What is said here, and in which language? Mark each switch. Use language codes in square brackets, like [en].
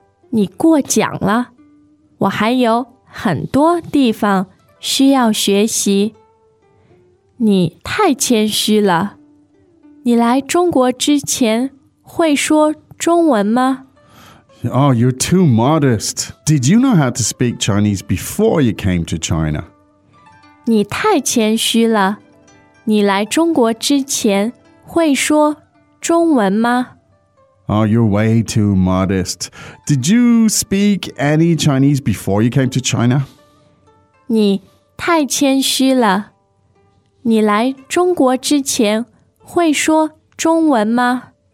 [zh] 你过奖了，我还有很多地方需要学习。你太谦虚了。你来中国之前会说中文吗？ [en] Oh, you're too modest. Did you know how to speak Chinese before you came to China? [zh] 你太谦虚了。你来中国之前会说中文吗？ [en] Oh, you're way too modest. Did you speak any Chinese before you came to China? [zh] 你太谦虚了。你来中国之前会说中文吗？